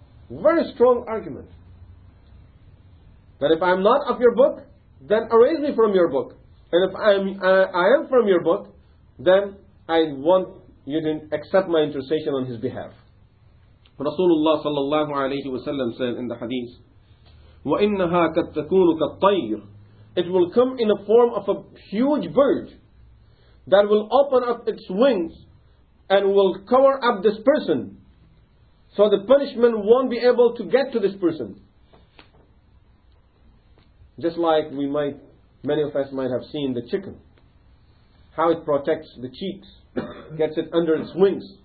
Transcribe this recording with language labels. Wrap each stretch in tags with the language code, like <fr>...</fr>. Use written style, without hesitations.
<en>Very strong argument. That if I am not of your book, then erase me from your book. And if I am from your book, then I want you to accept my intercession on his behalf.</en> <ar>رسول الله صلى الله عليه وسلم</ar> <en>said in the hadith,</en> <ar>وَإِنَّهَا قَدْ تَكُونُ كَالطَّيْرِ,</ar> <en>it will come in a form of a huge bird that will open up its wings and will cover up this person. So the punishment won't be able to get to this person. Just like we might, many of us might have seen the chicken, how it protects the cheeks, gets it under its wings.</en>